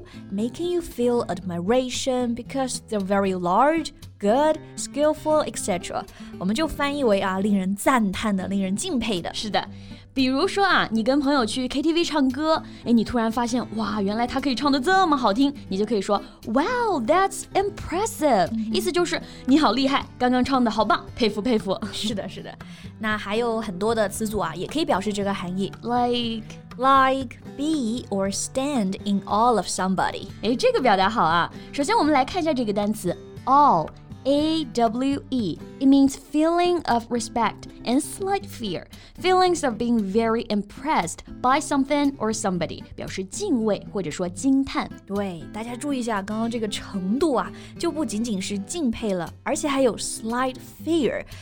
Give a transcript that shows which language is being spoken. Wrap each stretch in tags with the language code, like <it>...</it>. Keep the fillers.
<en>making you feel admiration because they're very large. Good, skillful, etc.</en> <zh>我们就翻译为啊，令人赞叹的，令人敬佩的。是的，比如说啊，你跟朋友去 KTV 唱歌，哎，你突然发现，哇，原来他可以唱得这么好听，你就可以说，</zh> <en>Wow，that's impressive，、</en> <zh>嗯、意思就是你好厉害，刚刚唱得好棒，佩服佩服。是的，是的。那还有很多的词组啊，也可以表示这个含义，</zh> <en>like like be or stand in all of somebody。</en> <zh>哎，这个表达好啊。首先我们来看一下这个单词 all。</zh> <en>A W E. It means feeling of respect and slight fear. Feelings of being very impressed by something or somebody.</en> <zh>表示敬畏或者说惊叹。对,大家注意一下刚刚这个程度啊,就不仅仅是敬佩了,而且还有</zh> <en>slight fear.</en>